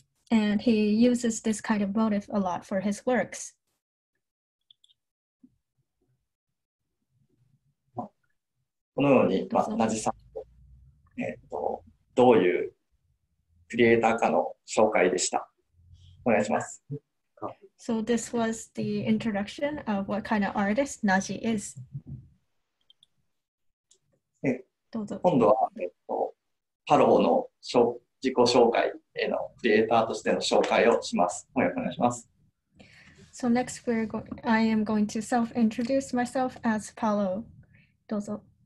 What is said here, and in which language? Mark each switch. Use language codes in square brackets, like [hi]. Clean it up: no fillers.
[en] And he uses this kind of motif a lot for his works. [ja] このように、まあ、同じさんと、どういうクリエイターかの紹介でした。お願いします。 [en] So this was the introduction of what kind of artist Naji is. [ja] どうぞ。今度は、ハローの自己紹介へのクリエイターとしての紹介をします。お願いします。 [en] So next, I am going to self-introduce myself as Palo. [ja] どうぞ。